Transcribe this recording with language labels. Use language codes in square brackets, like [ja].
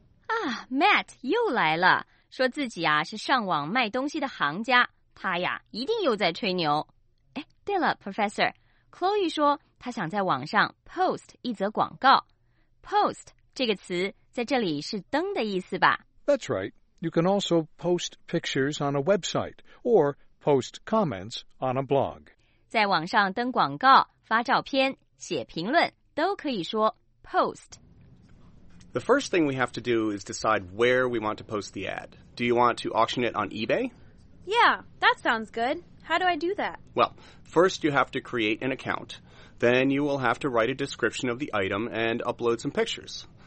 [zh] Ah, Matt 又来了，说自己啊是上网卖东西的行家，他呀一定又在吹牛。哎，对了 ，Professor Chloe 说他想在网上 post 一则广告。 Post 这个词在这里是登的意思吧 [en] ？That's right.You can also post pictures on a website or post comments on a blog. [zh] 在网上登广告、发照片、写评论都可以说 post. [en] The first thing we have to do is decide where we want to post the ad. Do you want to auction it on eBay? Yeah, that sounds good. How do I do that? Well, first you have to create an account. Then you will have to write a description of the item and upload some pictures.